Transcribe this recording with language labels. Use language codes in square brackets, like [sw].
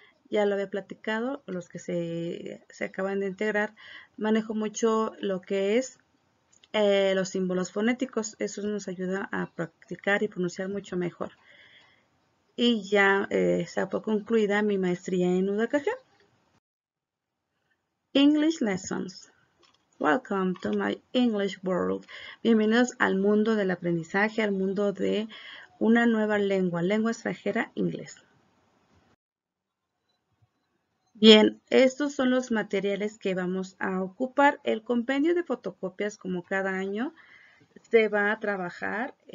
[es] Ya lo había platicado, los que se acaban de integrar, manejo mucho lo que es los símbolos fonéticos, eso nos ayuda a practicar y pronunciar mucho mejor. Y ya se fue concluida mi maestría en educación. [en] English lessons. Welcome to my English world. [es] Bienvenidos al mundo del aprendizaje, al mundo de una nueva lengua, lengua extranjera, inglés. Bien, estos son los materiales que vamos a ocupar. El compendio de fotocopias, como cada año, se va a trabajar.